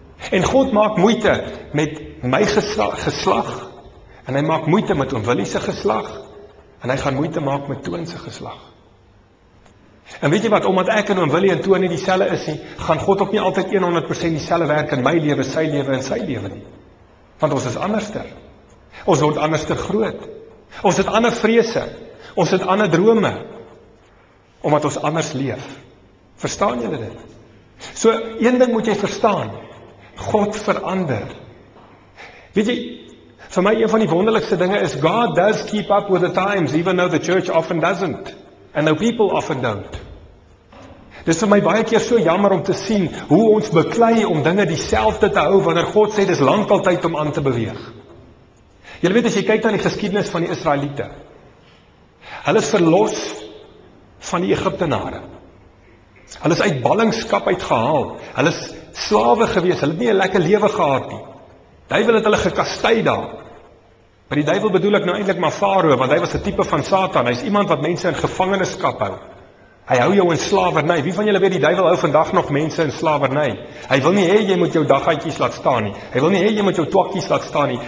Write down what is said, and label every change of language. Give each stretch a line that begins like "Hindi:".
Afrikaans: En God maak moeite met my geslag, en hy maak moeite met oom Willie se geslag, en hy gaan moeite maak met Toon se geslag. En weet jy wat, omdat ek en oom Willie en Toon nie dieselfde is nie, gaan God ook nie altyd 100% dieselfde werk in my lewe, sy lewe en sy lewe nie. Want ons is anderster. Ons word anderster groot. Ons het ander vrese. Ons het ander drome, omdat ons anders leef. Verstaan julle dit? So, een ding moet jy verstaan, God verander. Weet jy, vir my een van die wonderlikste dinge is,
English: God does keep up with the times, even though the church often doesn't, and though people often don't.
Afrikaans: Dit is vir my baie keer so jammer om te sien, hoe ons beklei om dinge dieselfde te hou, wanneer God sê, dis lang al tyd om aan te beweeg. Julle weet, as jy kyk na die geskiedenis van die Israeliete, hulle is verlos van die Egiptenare. Hulle is uit ballingskap uitgehaal. Hulle is slawe gewees. Hulle het nie 'n lekker lewe gehad nie. Duivel het hulle gekastei daar. By die duivel bedoel ek nou eintlik maar Farao, want hy was 'n tipe van Satan. Hy is iemand wat mense in gevangenskap hou. Hy hou jou in slawerny. Wie van julle weet die duivel hou vandag nog mense in slawerny? Hy wil nie hê jy moet jou daggatjies laat staan nie. Hy wil nie hê jy moet jou twakkies laat staan nie.